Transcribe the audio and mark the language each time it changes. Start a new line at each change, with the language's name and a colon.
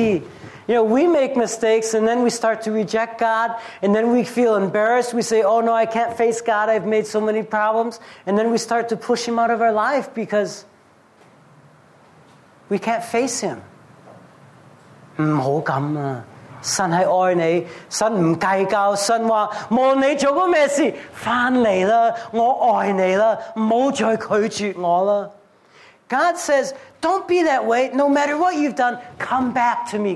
English: You know, we make mistakes and then we start to reject God and then we feel embarrassed. We say, oh no, I can't face God. I've made so many problems. And then we start to push him out of our life because we can't face him.
Chinese: 不要这样,神是爱你,神不计较,神说,无论你做过什么事,回来了,我爱你了,不要再拒绝我了。
English: God says, don't be that way. No matter what you've done, come back to me.